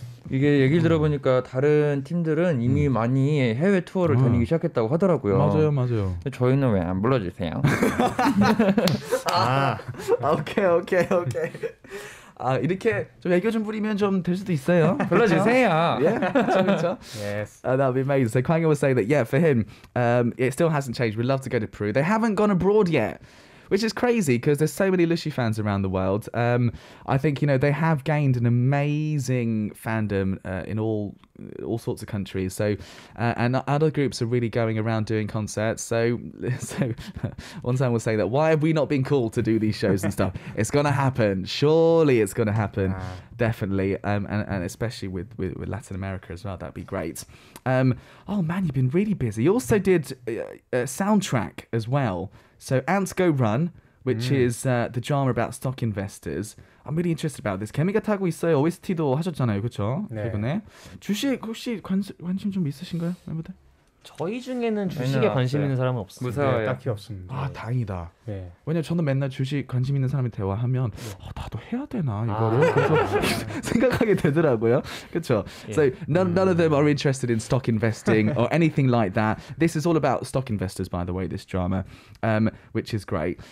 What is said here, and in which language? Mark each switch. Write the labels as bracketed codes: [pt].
[ko] 이게 얘기를 들어보니까 다른 팀들은 이미 많이 해외 투어를 다니기 시작했다고 하더라고요. 맞아요, 맞아요. 저희는 왜 안 불러주세요? 아, 오케이, 오케이, 오케이. 아, 이렇게 좀 애교 좀 부리면 좀 될 수도 있어요. 불러주세요. [en] Yeah, [ko] 그렇죠. [en] Yes. That would be amazing. So Kwangri was saying that, yeah, for him, it still hasn't changed. We'd love to go to Peru. They haven't gone abroad yet. Which is crazy because there's so many Lushi fans around the world. I think, you know, they have gained an amazing fandom in all sorts of countries. So, and other groups are really going around doing concerts. So one time we'll say that, why have we not been called to do these shows and stuff? It's going to happen. Surely it's going to happen. Nah. Definitely. And especially with Latin America as well. That'd be great. Oh, man, you've been really busy. You also did a soundtrack as well. So Ants Go Run, which is the drama about stock investors. I'm really interested about this. [ko] 개미가 타고 있어요. OST도 하셨잖아요, 그렇죠? 네. 이번에 주식 혹시 관심 좀 있으신가요, 멤버들? 저희 중에는 주식에 관심 있는 사람은 없습니다. 무서워요. 네, 딱히 없습니다. 아, 다행이다. 네. 왜냐면 저는 맨날 주식 관심 있는 사람이 대화하면 나도 해야 되나 이거를 생각하게 되더라고요. 그렇죠? [en] Yeah. So none of them are interested in stock investing or anything like that. This is all about stock investors, by the way, this drama, which is great.